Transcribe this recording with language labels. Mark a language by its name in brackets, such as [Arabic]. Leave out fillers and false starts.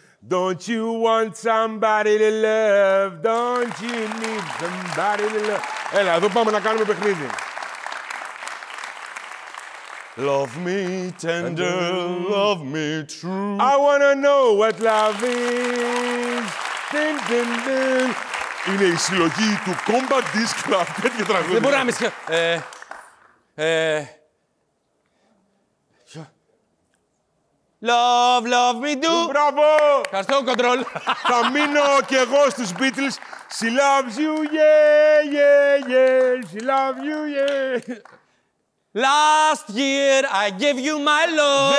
[English] Don't you want somebody to love? Don't you need somebody to love? [Greek] Έλα, εδώ πάμε να κάνουμε παιχνίδι. [English] Love me tender, love me true. I wanna know what love is. Din, din, din. [Greek] Είναι η συλλογή του Combat Disc Club. Τέτοια τραγούδια. Δεν μπορεί να μη σκέφτε. [English] Love, love me do. [Greek] Μπράβο! Ευχαριστώ, Control. Θα μείνω κι εγώ στους Beatles. [English] She loves you, yeah, yeah, yeah. She loves you, yeah. Last year I gave you my love.